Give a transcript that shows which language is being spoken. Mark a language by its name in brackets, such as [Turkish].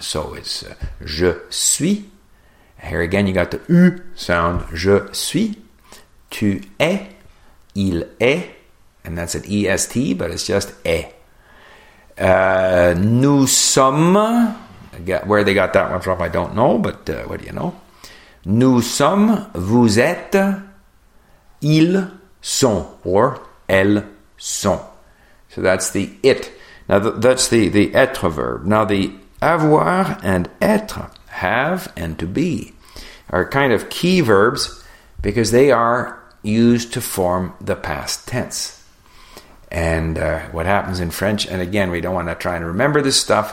[English] So it's je suis. Here again, you got the U sound. [French] Je suis. Tu es. Il est. [English] And that's an EST, but it's just est. [French] Nous sommes. [English] Where they got that one from, I don't know, but what do you know? [French] Nous sommes, vous êtes, ils sont, or elles sont. [English] So that's the it. Now, that's the être verb. Now, the avoir and être, have and to be, are kind of key verbs because they are used to form the past tense. And what happens in French, and again, we don't want to try and remember this stuff.